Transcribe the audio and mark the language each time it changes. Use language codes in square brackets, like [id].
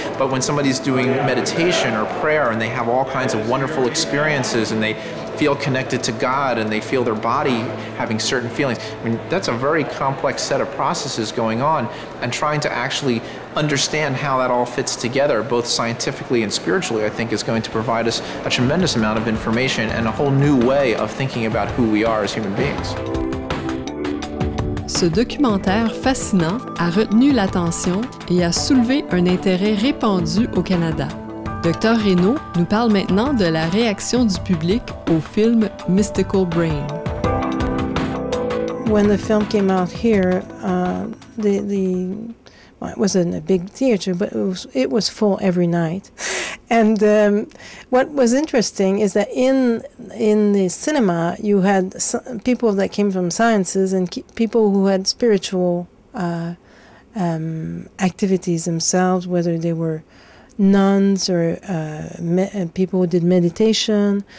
[en] But when somebody's doing meditation or prayer and they have all kinds of wonderful experiences and they feel connected to God and they feel their body having certain feelings, I mean, that's a very complex set of processes going on, and trying to actually understand how that all fits together, both scientifically and spiritually, I think is going to provide us a tremendous amount of information and a whole new way of thinking about who we are as human beings. [fr] Ce documentaire fascinant a retenu l'attention et a soulevé un intérêt répandu au Canada. Dr. Raynauld nous parle maintenant de la réaction du public au film Mystical Brain. [en] When the film came out here, well, it wasn't a big theater, but it was full every night. And what was interesting is that in the cinema, you had people that came from sciences and people who had spiritual activities themselves, whether they were nuns or people who did meditation.